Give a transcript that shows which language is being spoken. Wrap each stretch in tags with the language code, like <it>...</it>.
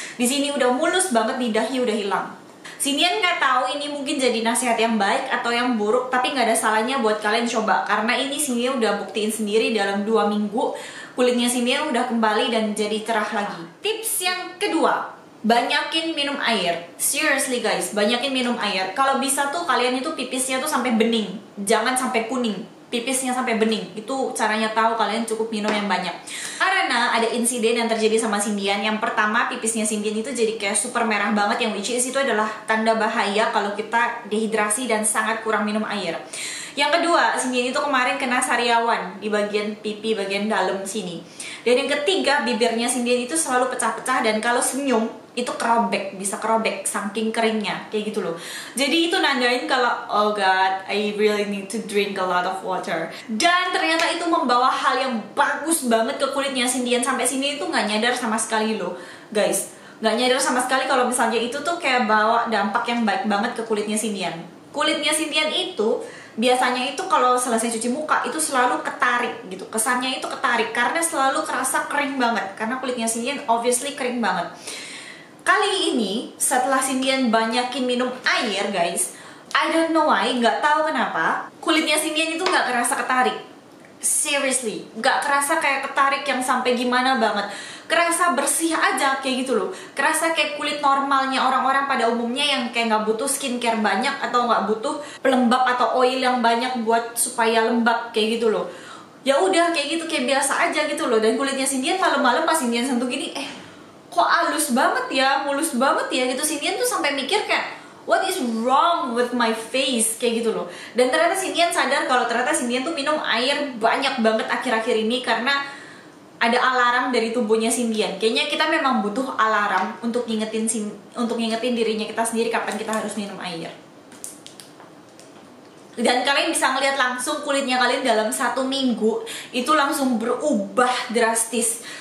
<id>Di sini udah mulus banget, di dahi udah hilang. Sintian nggak tahu ini mungkin jadi nasihat yang baik atau yang buruk, tapi nggak ada salahnya buat kalian coba, karena ini Sintian udah buktiin sendiri dalam 2 minggu kulitnya Sintian udah kembali dan jadi cerah lagi. Tips yang kedua, banyakin minum air.</id> <en>Seriously guys,</en> <id>banyakin minum air. Kalau bisa tuh kalian itu pipisnya tuh sampai bening, jangan sampai kuning. Pipisnya sampai bening, itu caranya tahu kalian cukup minum yang banyak. Karena ada insiden yang terjadi sama Sindian. Yang pertama, pipisnya Sindian itu jadi kayak super merah banget, yang</id> <en>which is</en> <id>itu adalah tanda bahaya kalau kita dehidrasi dan sangat kurang minum air. Yang kedua, Sindian itu kemarin kena sariawan di bagian pipi, bagian dalam sini. Dan yang ketiga, bibirnya Sindian itu selalu pecah-pecah, dan kalau senyum itu kerobek, bisa kerobek saking keringnya, kayak gitu loh. Jadi itu nandain kalau,</id> <en>oh god, I really need to drink a lot of water.</en> <id>Dan ternyata itu membawa hal yang bagus banget ke kulitnya Sindian. Sampai sini itu gak nyadar sama sekali loh, guys. Gak nyadar sama sekali kalau misalnya itu tuh kayak bawa dampak yang baik banget ke kulitnya Sindian. Kulitnya Sindian itu biasanya itu kalau selesai cuci muka itu selalu ketarik gitu. Kesannya itu ketarik karena selalu kerasa kering banget, karena kulitnya Sindian obviously kering banget. Kali ini setelah Sindian banyakin minum air guys,</id> <en>I don't know why,</en> <id>gak tahu kenapa, kulitnya Sindian itu gak kerasa ketarik. Seriously, gak kerasa kayak ketarik yang sampai gimana banget. Kerasa bersih aja kayak gitu loh. Kerasa kayak kulit normalnya orang-orang pada umumnya yang kayak gak butuh skincare banyak atau gak butuh pelembab atau oil yang banyak buat supaya lembab kayak gitu loh. Ya udah kayak gitu, kayak biasa aja gitu loh. Dan kulitnya Sindian malam-malam pas Sindian sentuh gini, kok halus banget ya, mulus banget ya gitu. Sindian tuh sampai mikir kayak,</id> <en>what is wrong with my face,</en> <id>kayak gitu loh. Dan ternyata Sindian sadar kalau ternyata Sindian tuh minum air banyak banget akhir-akhir ini karena ada alarm dari tubuhnya Sindian. Kayaknya kita memang butuh alarm untuk ngingetin dirinya kita sendiri kapan kita harus minum air. Dan kalian bisa ngeliat langsung kulitnya kalian dalam satu minggu itu langsung berubah drastis.</id>